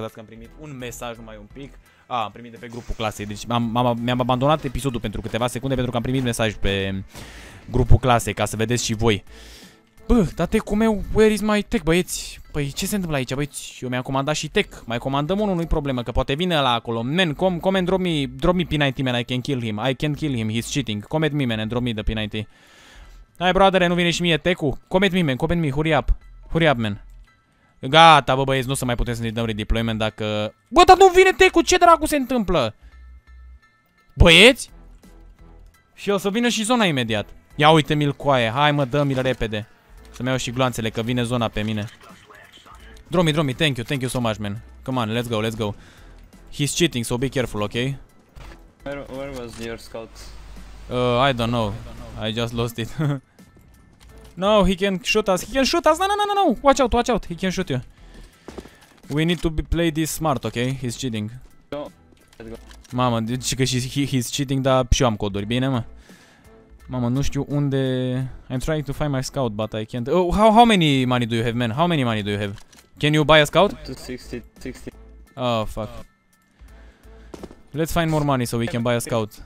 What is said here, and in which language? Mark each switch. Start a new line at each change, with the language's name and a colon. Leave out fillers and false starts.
Romanian: Dacă am primit un mesaj numai un pic. A, am primit de pe grupul clasei. Deci mi-am abandonat episodul pentru câteva secunde, pentru că am primit mesaj pe grupul clasei, ca să vedeți și voi. Bă, dar tech-ul meu,
English: where is my tech,
Romanian: băieți? Păi, ce se întâmplă aici, băieți? Eu mi-am comandat și tech. Mai comandăm unul, nu-i problemă, că poate vine ăla acolo.
English: Man, comment, drop me P90, man, I can kill him. I can kill him, he's cheating. Comment me, man, and drop me the P90.
Romanian: Hai, brodere, nu vine și mie tech-ul?
English: Comment me, man, comment me, hurry up. Hurry up, man.
Romanian: Gata, bă, băieți, nu să mai putem să ne dăm redeployment dacă... Bă, dar nu vine tech-ul, ce dracu se întâmplă? Băieți? Și o să vină și zona imediat. Ia uite, mi-l coaie, hai, mă, dă-mi-l repede. Să-mi iau și gloanțele, că vine zona pe mine.
English: Dromi, thank you so much, man. Come on, let's go. He's cheating, so be careful, ok? Where was your scout? I don't know. I just lost it. No, he can shoot us. No. Watch out. He can shoot you. We need to play this smart, ok? He's cheating. No.
Romanian: Mamă, zici că
English: he's cheating,
Romanian: dar și eu am coduri, bine, mă? Mamă, nu știu unde...
English: I'm trying to find my scout, but I can't... How many money do you have, man? How many money do you have? Can you buy a scout? 260. Oh, fuck. Let's find more money so we can buy a scout.